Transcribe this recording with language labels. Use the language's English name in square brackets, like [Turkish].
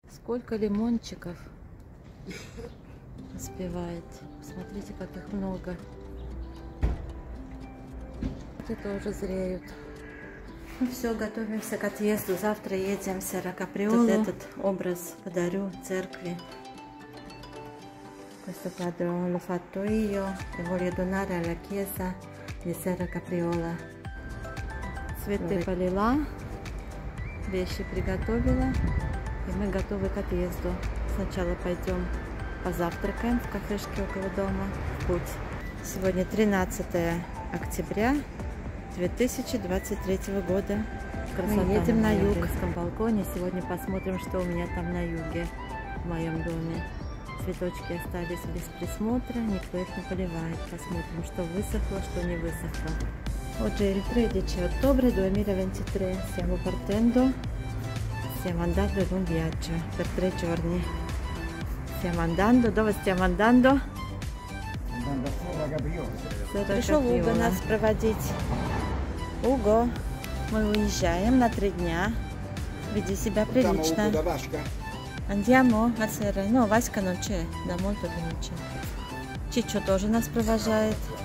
[Russian] Сколько лимончиков успевает. Смотрите, как их много. Эти тоже зреют. Ну все, готовимся к отъезду. Завтра едем в Серакоприолу. Вот этот образ подарю церкви. [Italian] Questo quadro l'ho fatto io e voglio donare alla chiesa di Серакоприола. [Russian] Цветы полила, вещи приготовила, и мы готовы к отъезду. Сначала пойдем позавтракаем в кафешке около дома. Путь. Сегодня 13 октября 2023 года. Красота. Мы едем на юг. На еврейском балконе. Сегодня посмотрим, что у меня там на юге в моем доме. Цветочки остались без присмотра, никто их не поливает. Посмотрим, что высохло, что не высохло. [Italian] Oggi è il 13 ottobre 2023, stiamo partendo, stiamo andando in un viaggio per 3 giorni. Stiamo andando, dove stiamo andando? Andando a Серакоприола. [Russian] Пришел Уго нас проводить. Уго, мы уезжаем на 3 дня. Веди себя прилично. [Italian] Andiamo a sera. [Russian] No, Васька ночи. Домой тут ночи. Чичо тоже нас провожает.